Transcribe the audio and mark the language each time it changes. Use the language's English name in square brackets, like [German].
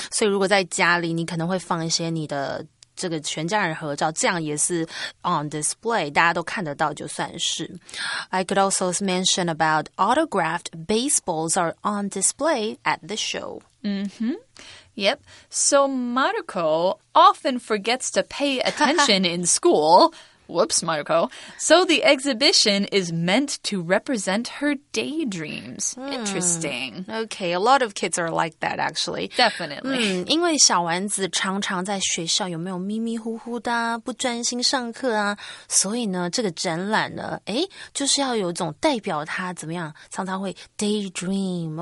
[Chinese] 所以如果在家里，你可能会放一些你的这个全家人合照，这样也是 on display, 大家都看得到就算是。 [English] I could also mention about autographed baseballs are on display at the show. Mm-hmm. Yep, so Maruko often forgets to pay attention in school. Whoops, Maruko. So the exhibition is meant to represent her daydreams. Interesting. Okay, a lot of kids are like that, actually. Definitely. [Chinese] 因为小丸子常常在学校有没有迷迷糊糊的、啊、不专心上课啊，所以呢，这个展览呢，诶，就是要有一种代表他怎么样，常常会 daydream.